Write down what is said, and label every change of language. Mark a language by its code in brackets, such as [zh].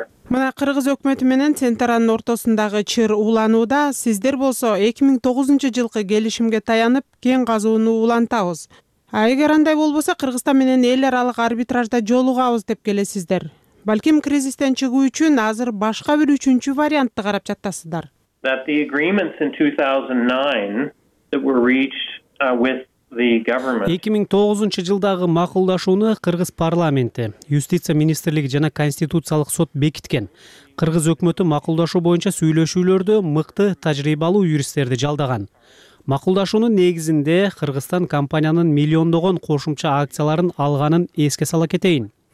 [ky] Мына кыргыз өкмөтү менен Центеранын ортосундагы чыр уланууда сиздер болсо 2009-жылкы келишимге таянып, кең казууну улантабыз. А эгер андай болбосо Кыргызстан менен эл аралык арбитражда жолугабыз деп келесиздер. Балким кризистен чыгуу үчүн азыр башка бир үчүнчү вариантты карап жатасыздар. [en] That the agreements in 2009 that were reached with the government. [ky] 2009-жылдагы макулдашууну кыргыз парламенти, юстиция министрлиги жана конституциялык сот бекиткен. Кыргыз өкмөтү макулдашуу боюнча сүйлөшүүлөрдө мыкты тажрыйбалуу юристтерди жалдаган. Макулдашуунун негизинде Кыргызстан компаниянын миллиондогон кошумча акцияларын алганын эске сала кетейин.